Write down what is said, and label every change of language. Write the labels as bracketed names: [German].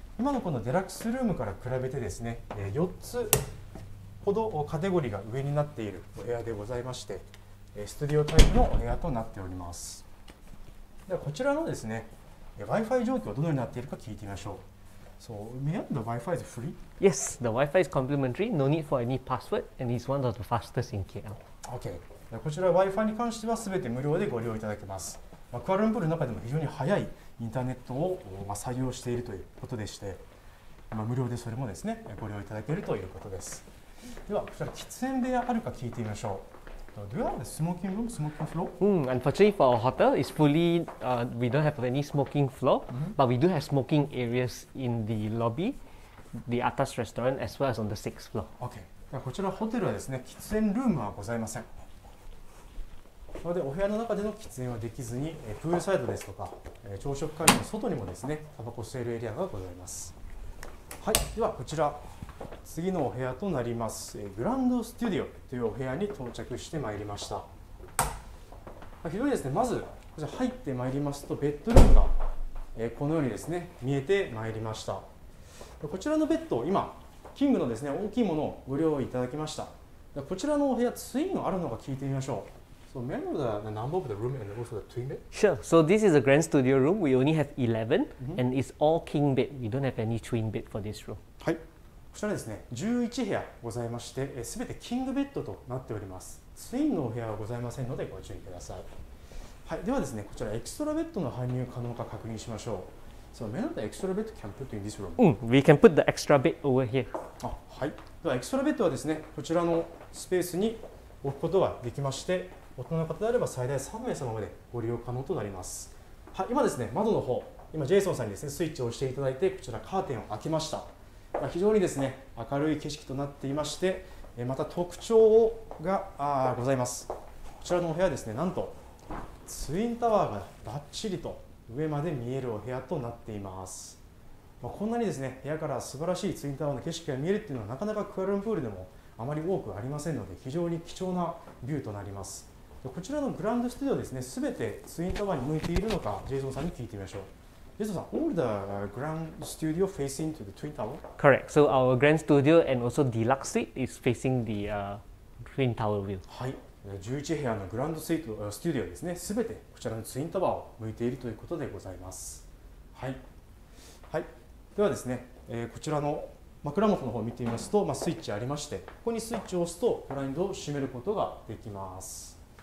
[Japanese] 今のこのデラックスルームから比べてですね、4つほどカテゴリーが上になっているお部屋でございまして、ストゥディオタイプのお部屋となっております。ではこちらのですね、 Wi-Fi 状況はどのようになっているか聞いてみましょう。 [English] So, may the Wi-Fi is free? Yes, the Wi-Fi is complimentary, no need for any password, and it's one of the fastest in KL. Okay. [Japanese] でこちら Wi-Fi に関しては全て無料でご利用いただけます。クアラルンプールの中でも非常に速いインターネットを採用しているということでして、無料でそれもですね、ご利用いただけるということです。ではこちら喫煙部屋あるか聞いてみましょう。 [English] Do you have a smoking room, smoking floor? Unfortunately for our hotel, it's fully, we don't have any smoking floor, mm-hmm. but we do have smoking areas in the lobby, the atas restaurant, as well as on the sixth floor. Okay. [Japanese] こちらホテルはですね、喫煙ルームはございません。なのでお部屋の中での喫煙はできずに、プールサイドですとか、朝食会場の外にもですね、タバコ吸えるエリアがございます。はい、ではこちら。次のお部屋となります、グランドスタジオというお部屋に到着してまいりました。非常にですね、まずこちら入ってまいりますと、ベッドルームがこのようにですね、見えてまいりました。こちらのベッド、今キングのですね、大きいものをご利用いただきました。こちらのお部屋、ツインがあるのか聞いてみましょう。 [English] So, may I know the number of the room and also the twin bed? Sure. So, this is a grand studio room. We only have 11 mm-hmm. and it's all king bed. We don't have any twin bed for this room. [Japanese] はい、こちらですね、11部屋ございまして、すべてキングベッドとなっております。ツインのお部屋はございませんのでご注意ください。はい、ではですね、こちらエクストラベッドの搬入可能か確認しましょう。 [English] So, may I know the extra bed can put in this room? We can put the extra bed over here. [Japanese] あ、はい。ではエクストラベッドはですね、こちらのスペースに置くことができまして、大人の方であれば最大3名様までご利用可能となります。はい、今ですね、窓の方、今ジェイソンさんにですね、スイッチを押していただいて、こちらカーテンを開けました。非常にですね、明るい景色となっていまして、また特徴がございます。こちらのお部屋ですね、なんとツインタワーがバッチリと上まで見えるお部屋となっています。まあ、こんなにですね、部屋から素晴らしいツインタワーの景色が見えるっていうのはなかなかクアラルンプールでもあまり多くありませんので、非常に貴重なビューとなります。こちらのグランドスタジオですね、すべてツインタワーに向いているのか、ジェイソンさんに聞いてみましょう。 [English] This is all the grand studio facing to the twin tower? Correct. So our grand studio and also deluxe suite is facing the twin tower view. [Japanese] はい。 11部屋のグランドスイート、スタジオですね、すべてこちらのツインタワーを向いているということでございます。はい。はい。ではですね、こちらの枕元の方を見てみますと、まあ、スイッチありまして、ここにスイッチを押すとブラインドを閉めることができます。